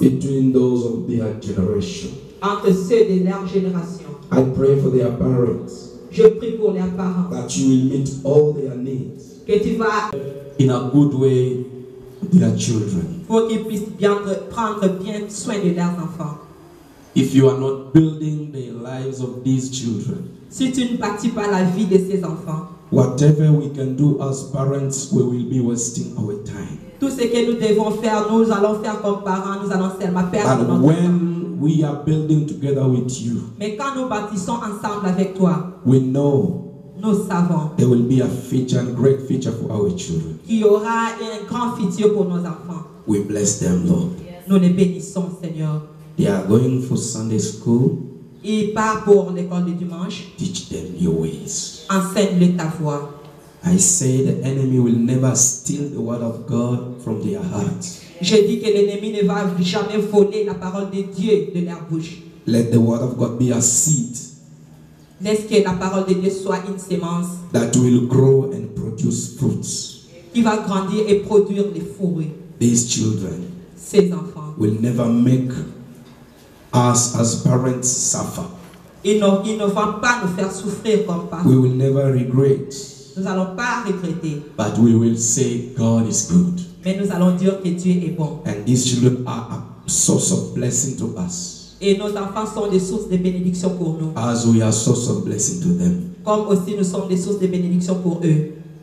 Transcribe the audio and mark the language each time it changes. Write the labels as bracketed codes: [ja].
[en] Between those of their generation. [fr] Entre ceux de leur génération. [en] I pray for their parents. [fr] Je prie pour leurs parents. [en] That you will meet all their needs. [fr] Que tu vas [en] in a good way. Their children. [fr] Pour qu'ils puissent bien prendre bien soin de leurs enfants. [en] If you are not building the lives of these children, [fr] si tu ne bâtis pas la vie de ces enfants, [en] whatever we can do as parents, we will be wasting our time. [fr] Tout ce que nous devons faire, nous allons faire comme parents, nous allons seulement perdre notre temps. [en] But when we are building together with you, [fr] mais quand nous bâtissons ensemble avec toi, [en] we know. [fr] Nous savons. [en] There will be a feature, a great feature for our children. [fr] Il y aura un grand futur pour nos enfants. [en] We bless them, Lord. [fr] Yes. Nous les bénissons, Seigneur. [en] They are going for Sunday school. [fr] Ils partent pour l'école du dimanche. [en] Teach them your ways. [fr] Enseigne-les ta voix. [en] I say the enemy will never steal the word of God from their hearts. [fr] Je dis que l'ennemi ne va jamais voler la parole de Dieu de leur bouche. [en] Let the word of God be a seed. [fr] Laisse que la parole de Dieu soit une semence [en] that will grow and produce fruits. [fr] Qui va grandir et produire des fruits. [en] These children, [fr] ces enfants, [en] will never make us as parents suffer. [fr] Ils ne vont pas nous faire souffrir comme parents. [en] We will never regret. [fr] Nous allons pas regretter. [en] But we will say God is good. [fr] Mais nous allons dire que Dieu est bon. [en] And these children are a source of blessing to us. [fr] Et nos enfants sont des sources de bénédiction pour nous. [en] As we are source of blessing to them. [fr] Comme aussi nous sommes des sources de bénédiction pour eux.